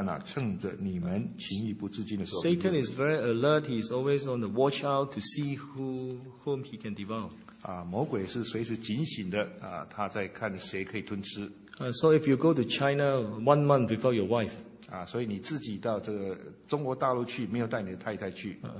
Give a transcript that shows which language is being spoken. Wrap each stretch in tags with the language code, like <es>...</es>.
<zh>暂时昏黄，为要专心祷告欢可，以后则要同房，则免得撒旦趁着你们情欲不自禁的时候。</zh> <en>Satan is very alert. He is always on the watch out to see whom he can devour.</en> <zh>魔鬼是随时警醒的，他在看谁可以吞吃。</zh> <en>So if you go to China 1 month before your wife.</en> <zh>所以你自己到这个中国大陆去，没有带你的太太去。</zh>